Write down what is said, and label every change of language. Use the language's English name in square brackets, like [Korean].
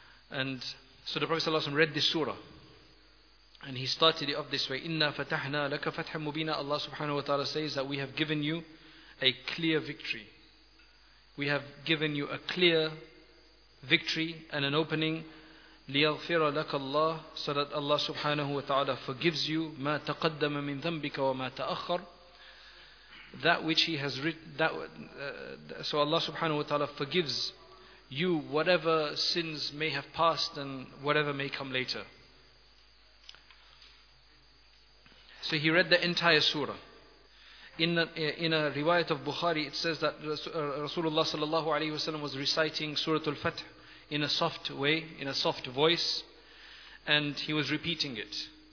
[English] And so the Prophet sallallahu alayhi wasallam read this surah and he started it off this way, [Arabic] Inna fatahna laka fatham mubina. [English] Allah subhanahu wa ta'ala says that we have given you a clear victory. We have given you a clear victory and an opening. [Arabic] لِيَغْفِرَ لَكَ اللَّهُ, [English] so that Allah subhanahu wa ta'ala forgives you. [Arabic] مَا تَقَدَّمَ مِنْ ذَنْبِكَ وَمَا تَأَخَّرَ, [English] that which he has written. So Allah subhanahu wa ta'ala forgives you whatever sins may have passed and whatever may come later. So he read the entire surah. In a riwayat of Bukhari, it says that Rasulullah sallallahu alayhi wasallam was reciting Surah Al-Fath in a soft way, in a soft voice, and he was repeating it.